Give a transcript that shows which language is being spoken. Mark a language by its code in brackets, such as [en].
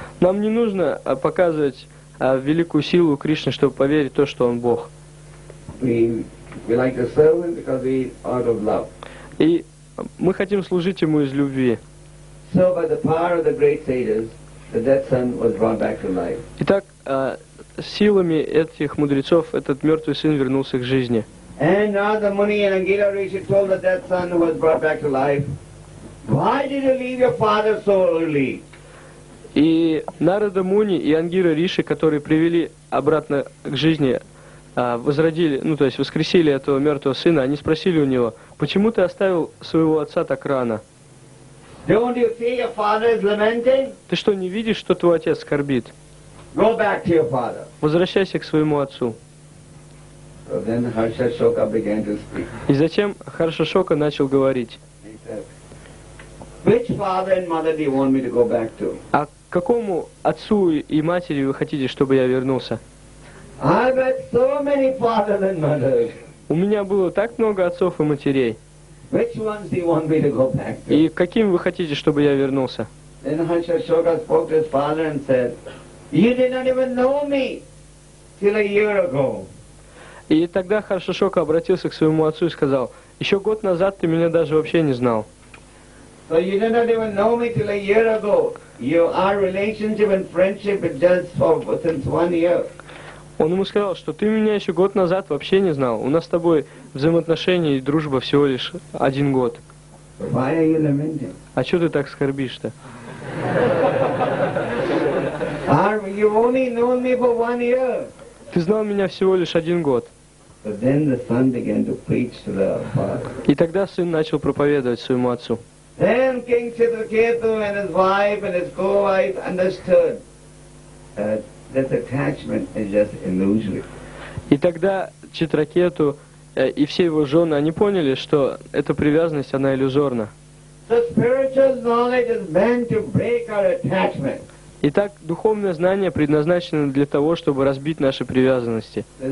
[ru] Нам не нужно показывать великую силу Кришны, чтобы поверить в то, что Он Бог. [en] We like to serve Him because we are of love. [ru] И мы хотим служить Ему из любви. [en] So by the power of the great sages, the dead son was brought back to life. [ru] Итак, силами этих мудрецов этот мертвый сын вернулся к жизни. [en] And Narada Muni and Angira Rishi told the dead son who was brought back to life, "Why did you leave your father so early?" [ru] И Нарада Муни и Ангира Риши, которые привели обратно к жизни, возродили, ну то есть воскресили этого мертвого сына, они спросили у него: «Почему ты оставил своего отца так рано?» [en] Don't you see your father is lamenting? [ru] Ты что, не видишь, что твой отец скорбит? [en] Go back to your father. [ru] Возвращайся к своему отцу. [en] So then Harsha Shoka began to speak. [ru] И затем Харша Шока начал говорить. [en] Which father and mother do you want me to go back to? [ru] А к какому отцу и матери вы хотите, чтобы я вернулся? [en] I've had so many fathers and mothers. [ru] У меня было так много отцов и матерей. [en] Which ones do you want me to go back to? [ru] И к каким вы хотите, чтобы я вернулся? [en] Then Harsha Shoka spoke to his father and said, you did not even know me till a year ago. [ru] И тогда Харша Шока обратился к своему отцу и сказал, еще год назад ты меня даже вообще не знал. [en] So you did not even know me till a year ago. Our relationship and friendship is just since 1 year. [ru] Он ему сказал, что ты меня еще год назад вообще не знал. У нас с тобой взаимоотношения и дружба всего лишь 1 год. [en] Why are you lamenting? [ru] А что ты так скорбишь-то? [en] You've only known me for 1 year. [ru] Ты знал меня всего лишь 1 год. [en] But then the son began to preach to the father. [ru] И тогда сын начал проповедовать своему отцу. [en] Then King Chitraketu and his wife and his co-wife understood that this attachment is just illusory. [ru] И тогда Читракету и все его жены, они поняли, что эта привязанность, она иллюзорна. [en] So spiritual knowledge is meant to break our attachment. [ru] Итак, духовное знание предназначено для того, чтобы разбить наши привязанности.